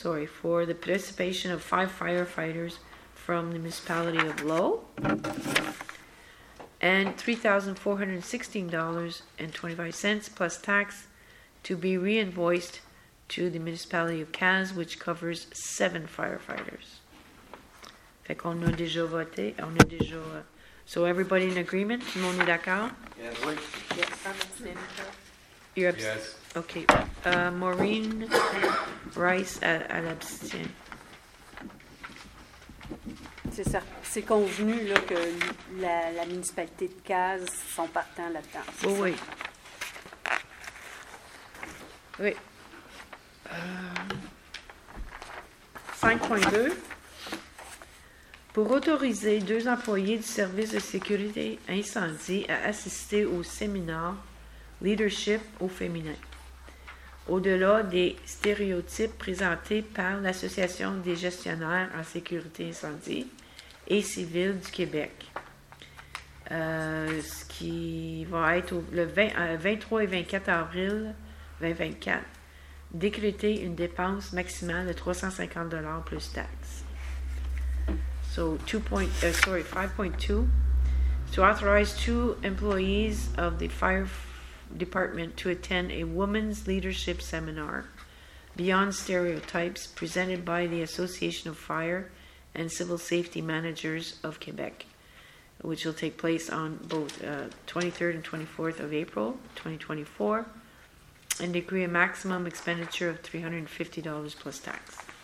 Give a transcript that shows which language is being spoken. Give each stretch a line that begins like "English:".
English: for the participation of 5 firefighters from the municipality of Lowe, and $3,416.25 plus tax to be reinvoiced to the municipality of Cass, which covers 7 firefighters.
French: Fait qu'on a déjà voté, on a déjà.
English: So everybody in agreement?
French: Tout le monde est d'accord?
English: Yes. Yes. You're abstaining. Yes.
French: Okay. Maureen Rice, elle abstient. C'est convenu là, que la municipalité de Cas sont partants là-dedans. Oui, oui. Oui. 5.2. Pour autoriser 2 employés du service de sécurité incendie à assister au séminaire Leadership au féminin. Au-delà des stéréotypes présentés par l'Association des gestionnaires en sécurité incendie, et civile du Québec, ce qui va être le 23 et 24 avril 2024, décréter une dépense maximale de $350 plus taxes.
English: So, 5.2, to authorize 2 employees of the fire department to attend a women's leadership seminar beyond stereotypes presented by the Association of Fire and Civil Safety Managers of Quebec, which will take place on both 23rd and 24th of April 2024, and decree a maximum expenditure of $350 plus tax.